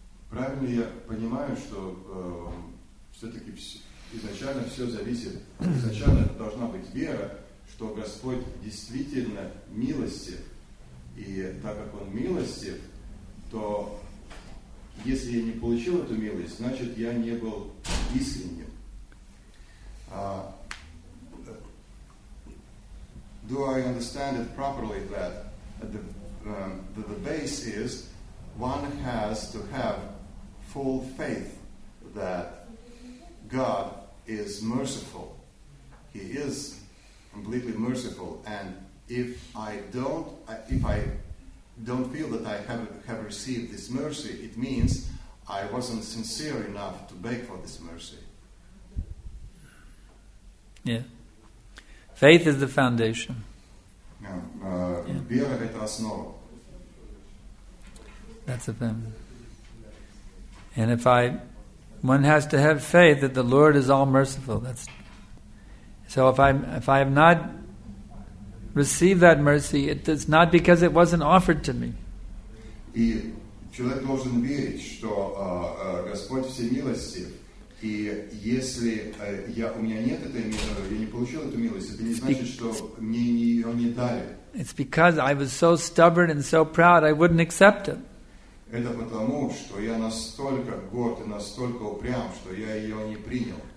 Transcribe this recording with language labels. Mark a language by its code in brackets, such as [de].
[ru] Правильно я понимаю, что все-таки изначально все зависит, изначально это должна быть вера, что Господь действительно милостив, и так как Он милостив, то если я не получил эту милость, значит я не был искренним. [en] Do I understand it properly that the base is one has to have full faith that God is merciful. He is completely merciful. And if I don't feel that I have received this mercy, it means I wasn't sincere enough to beg for this mercy. Yeah. Faith is the foundation. Yeah. [ru] Вера — это основа. [en] That's a thing. And one has to have faith that the Lord is all merciful. That's so. If I have not received that mercy, it's not because it wasn't offered to me. [ru] И человек должен верить, что Господь всемилостив. И если у меня нет этой милости, я не получил эту милость, это не значит, что мне ее не дали. [en] It's because I was so stubborn and so proud, I wouldn't accept it. [ru] Это потому, что я настолько горд и настолько упрям, что я ее не принял.